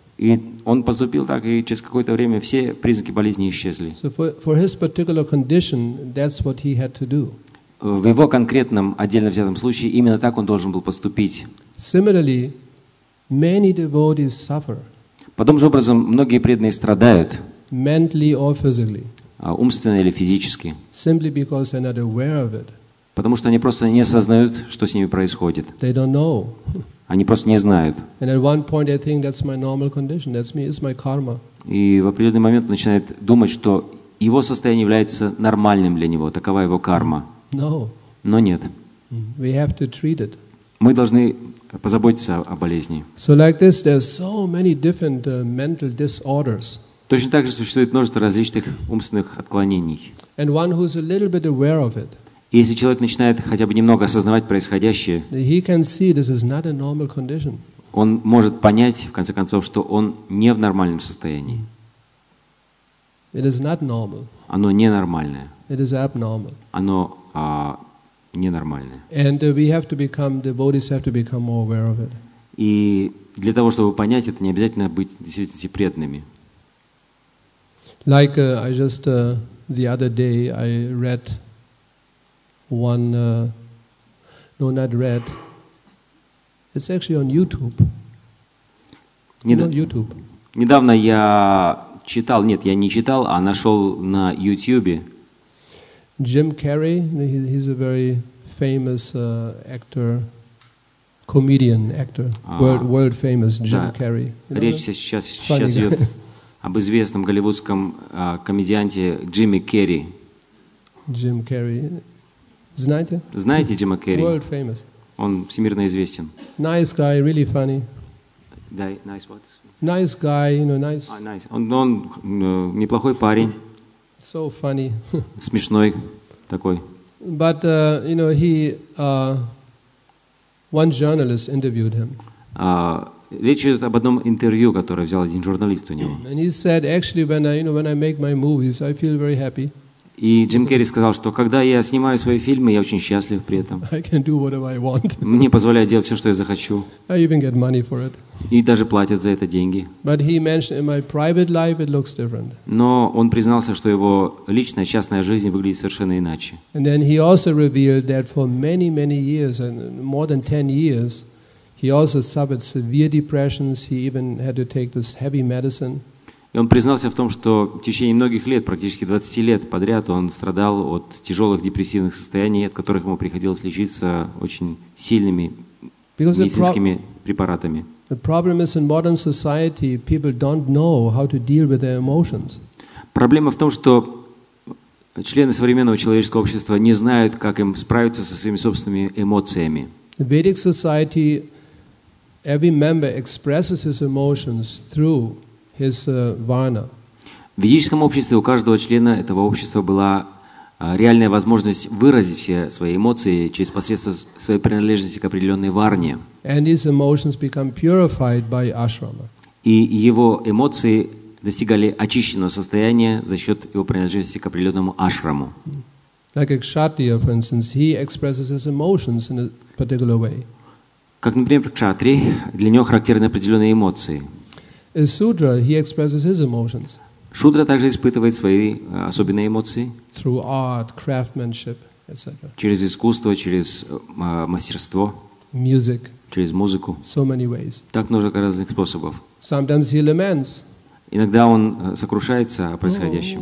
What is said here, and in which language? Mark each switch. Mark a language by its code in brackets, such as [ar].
[ru] И он поступил так, и через какое-то время все признаки болезни исчезли. [en] So for his particular condition, that's what he had to do. [ru] в его конкретном отдельно взятом случае именно так он должен был поступить. [en] Similarly, many devotees suffer. [ru] Подобным же образом многие преданные страдают. [en] Mentally or physically. [ru] Умственно или физически. [en] Simply because they're not aware of it. [ru] Потому что они просто не осознают, что с ними происходит. [en] They don't know. [ru] Они просто не знают. [en] And at one point they think that's my normal condition. That's me. It's my karma. [ru] И в определенный момент он начинает думать, что его состояние является нормальным для него. Такова его карма. [en] No. [ru] Но нет. [en] We have to treat it. [ru] Мы должны позаботиться о болезни. [en] So like this, there's so many different mental disorders. [ru] Точно так же существует множество различных умственных отклонений. [en] And one who's a little bit aware of it. [ru] И если человек начинает хотя бы немного осознавать происходящее, [en] he can see this is not a normal condition. [ru] Он может понять, в конце концов, что он не в нормальном состоянии. [en] It is not normal. [ru] Оно ненормальное. [en] It is abnormal. [ru] Оно ненормальное. [en] And we have to become, devotees have to become more aware of it. [ru] И для того, чтобы понять это, не обязательно быть действительно преданными. [en] Like I just the other day I read one no not read it's actually on YouTube. YouTube. [ru] Недавно я читал, нет, я не читал, а нашел на YouTube. [en] Jim Carrey, he's a very famous actor, comedian actor, world famous Jim Carrey. [ru] Речь сейчас идет об известном голливудском комедианте Джимми Керри. Джим Керри. Знаете? Знаете Джима Керри? [en] World famous. [ru] Он всемирно известен. [en] Nice guy, really funny. Да, nice what? Nice guy, you know, nice. [ru] Nice. Он неплохой парень. [en] So funny. [ru] Смешной такой. [en] But you know, he one journalist interviewed him. [ru] Речь идет об одном интервью, которое взял один журналист у него. [en] And he said, actually, when I, you know, when I make my movies, I feel very happy. [ru] И Джим Керри сказал, что когда я снимаю свои фильмы, я очень счастлив при этом. [en] I can do whatever I want. [ru] Мне позволяют делать все, что я захочу. [en] I even get money for it. [ru] И даже платят за это деньги. [en] But he mentioned in my private life it looks different. [ru] Но он признался, что его личная, частная жизнь выглядит совершенно иначе. [en] And then he also revealed that for many, many years, and more than 10 years, he also suffered severe depressions. He even had to take this heavy medicine. [ru] И он признался в том, что в течение многих лет, практически 20 лет подряд, он страдал от тяжелых депрессивных состояний, от которых ему приходилось лечиться очень сильными медицинскими препаратами. [en] The problem is in modern society, people don't know how to deal with their emotions. [ru] Проблема в том, что члены современного человеческого общества не знают, как им справиться со своими собственными эмоциями. [en] The Vedic society, every member expresses his emotions through his varna. [ru] В ведическом обществе у каждого члена этого общества была реальная возможность выразить все свои эмоции через посредством своей принадлежности к определенной варне. [en] And his emotions become purified by ashrama. [ru] И его эмоции достигали очищенного состояния за счет его принадлежности к определенному ашраму. [en] Like a kshatriya, for instance, he expresses his emotions in a particular way. [ru] Как, например, кшатри, для него характерны определенные эмоции. [en] A sudra, he expresses his emotions. [ru] Шудра также испытывает свои особенные эмоции. [en] Through art, craftsmanship, etc. [ru] Через искусство, через мастерство. [en] Music. [ru] Через музыку. [en] So many ways. [ru] Так много разных способов. [en] Sometimes he laments. [ru] Иногда он сокрушается о происходящем.